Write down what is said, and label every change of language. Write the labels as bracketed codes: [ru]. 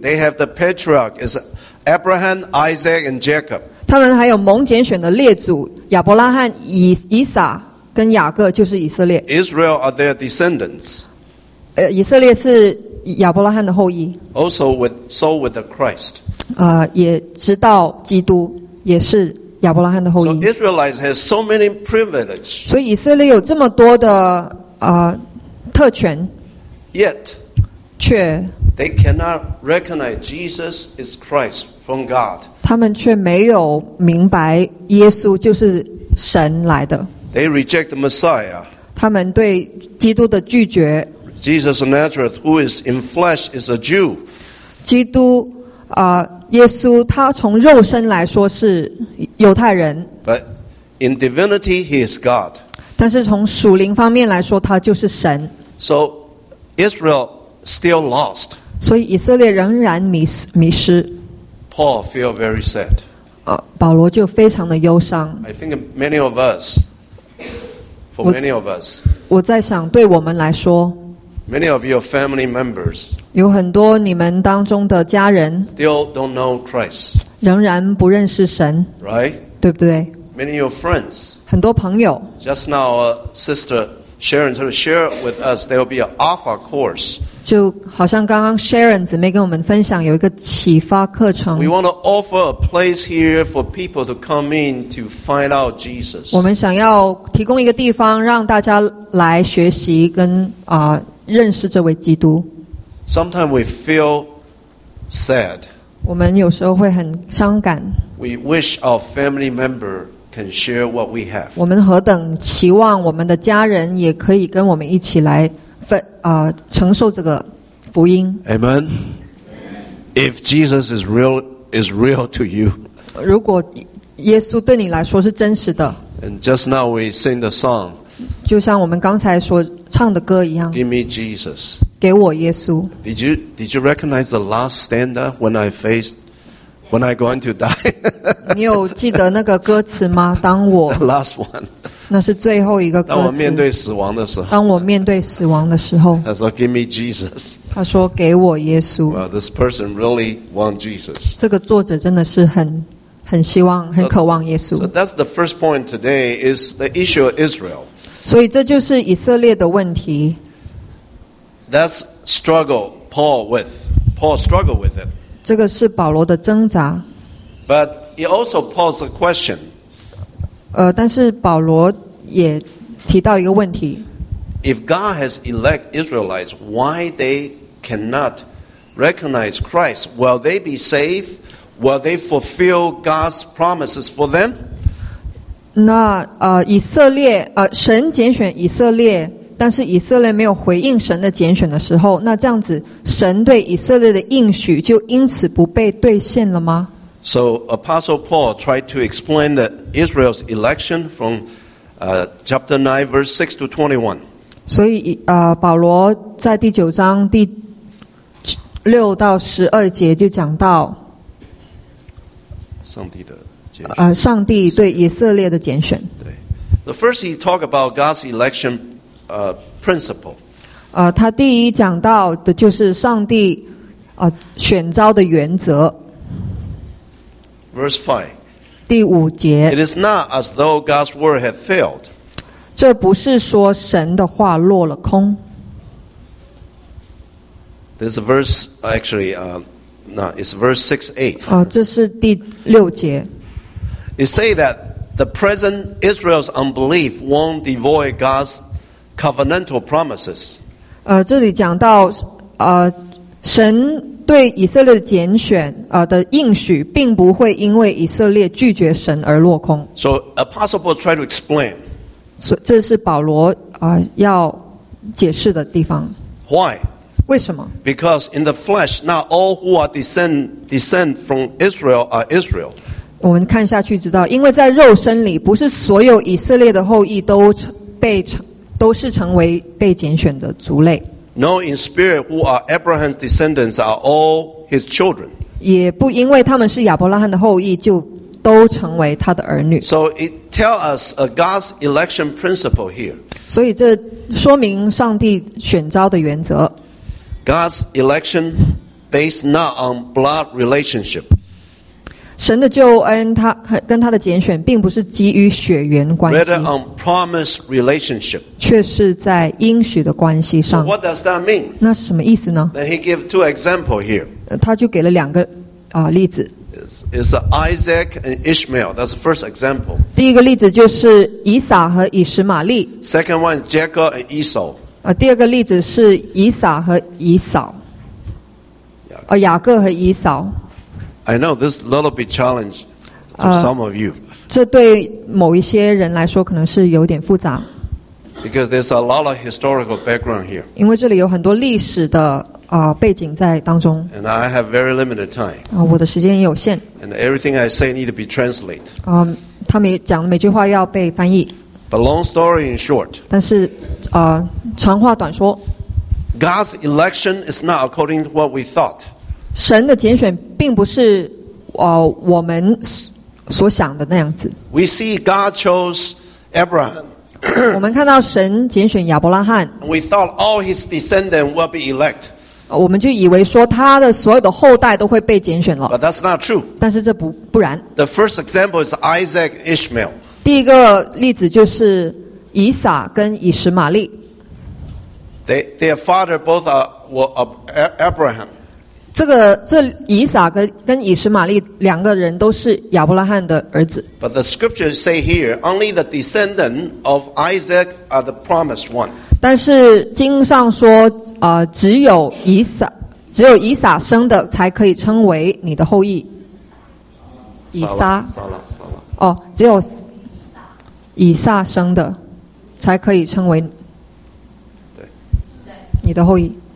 [en] They have the patriarch is Abraham, Isaac, and Jacob. [zh] 他们还有蒙拣选的列祖亚伯拉罕、以撒跟雅各，就是以色列。 [en] Israel are their descendants. [zh] 以色列是亚伯拉罕的后裔。 [en] Also with so with the Christ. [zh] 也直到基督也是。亚伯拉罕的后裔。 [en] So Israelites have so many privileges. [zh] 所以以色列有这么多的特权。 [en] Yet, [zh] 却 [en] they cannot recognize Jesus is Christ from God. [zh] 他们却没有明白耶稣就是神来的。 [en] They reject the Messiah. [zh] 他们对基督的拒绝。 [en] Jesus of Nazareth, who is in flesh, is a Jew. [zh] 基督耶稣他从肉身来说是犹太人。 [en] But in divinity he is God. [zh] 但是从属灵方面来说他就是神。 [en] So Israel still lost. [zh] 所以以色列仍然迷失。 [en] Paul feel very sad. [zh] 保罗就非常的忧伤。 [en] I think many of us, for many of us. [zh] 我在想对我们来说。 [en] Many of your family members [zh] 有很多你们当中的家人 [en] still don't know Christ [zh] 仍然不认识神 [en] right [zh] 对不对 [en] Many of your friends [zh] 很多朋友 [en] Just now a sister Sharon share with us there will be an Alpha course [zh] 就好像刚刚 Sharon 姊妹跟我们分享有一个启发课程 [en] We want to offer a place here for people to come in to find out Jesus [zh] 我们想要提供一个地方让大家来学习跟认识这位基督。 [en] Sometimes we feel sad. [zh] 我们有时候会很伤感。 [en] We wish our family member can share what we have. [zh] 我们何等期望我们的家人也可以跟我们一起来承受这个福音。 [en] Amen. If Jesus is real to you. [zh] 如果耶稣对你来说是真实的。 [en] And just now we sing the song. [zh] 就像我们刚才说。唱的歌一样 [en] Give me Jesus. [zh] 给我耶稣 [en] Did you recognize the last stanza when I going to die? [zh] 你有记得那个歌词吗？当我 [en] The last one. [zh] 那是最后一个歌词。当我面对死亡的时候。当我面对死亡的时候。他说 [en] Give me Jesus. [zh] 他说给我耶稣。 [en] Well, this person really want Jesus. [zh] 这个作者真的是很希望，很渴望耶稣。 [en] So that's the first point today is the issue of Israel. [zh] 所以这就是以色列的问题。 [en] That's struggle Paul with. Paul struggle with it. [zh] 这个是保罗的挣扎。 [en] But he also posed a question. [zh] 但是保罗也提到一个问题。 [en] If God has elect Israelites, why they cannot recognize Christ? Will they be saved? Will they fulfill God's promises for them? [zh] 那以色列神拣选以色列，但是以色列没有回应神的拣选的时候，那这样子神对以色列的应许就因此不被兑现了吗？ [en] So Apostle Paul tried to explain that Israel's election from chapter 9 verse 6 to 21. [zh] 所以保罗在第九章第六到十二节就讲到上帝的上帝对以色列的拣选。对 [en] ，The first he talk about God's election principle. [zh] 他第一讲到的就是上帝选召的原则。 [en] Verse five. [zh] 第五节。 [en] It is not as though God's word had failed. [zh] 这不是说神的话落了空。 [en] This verse actually it's verse 6-8. [zh] 这是第六节。 [en] You say that the present Israel's unbelief won't devoid God's covenantal promises. [zh] 这里讲到神对以色列的拣选的应许并不会因为以色列拒绝神而落空。 [en] So Apostle Paul tried to explain. [zh] 这是保罗要解释的地方。 [en] Why? [zh] 为什么? [en] Because in the flesh, not all who are descend from Israel are Israel. [zh] 我们看下去知道，因为在肉身里，不是所有以色列的后裔都是成为被拣选的族类。 [en] No, in spirit, who are Abraham's descendants are all his children. [zh] 也不因为他们是亚伯拉罕的后裔，就都成为他的儿女。 [en] So it tells us a God's election principle here. [zh] 所以这说明上帝选召的原则。 [en] God's election based not on blood relationship. [zh] 神的救恩他跟他的拣选并不是基于血缘关系 [en] Rather on promise relationship [zh] 却是在应许的关系上 [en] So what does that mean? [zh] 那什么意思呢 [en] Then he gave two examples here [zh] 他就给了两个例子 [en] It's Isaac and Ishmael That's the first example [zh] 第一个例子就是以撒和以实玛利 [en] Second one is Jacob and Esau [zh] 第二个例子是以撒和以扫雅各和以扫 [en] I know this little bit challenge to some of you. [zh] 这对某一些人来说可能是有点复杂。 [en] Because there's a lot of historical background here. [zh] 因为这里有很多历史的背景在当中。 [en] And I have very limited time. [zh] 我的时间也有限。 [en] And everything I say need to be translated. [zh] 他们讲的每句话要被翻译。 [en] But long story in short. [zh] 但是长话短说。 [en] God's election is not according to what we thought. [zh] 神的拣选并不是我们所想的那样子。 [en] We see God chose Abraham. [zh] 我们看到神拣选亚伯拉罕。 [en] We thought all his descendants will be elect. [zh] 我们就以为说他的所有的后代都会被拣选了。 [en] But that's not true. [zh] 但是这不然。 [en] The first example is Isaac and Ishmael. [zh] 第一个例子就是以撒跟以实玛利。 [en] Their father both were Abraham. [zh] 这以撒跟以实玛利两个人都是亚伯拉罕的儿子。 [en] But the scriptures say here, only the descendant of Isaac are the promised one. [zh] 但是经上说，只有以撒生的才可以称为你的后裔。以撒。只有以撒生的才可以称为你的后裔。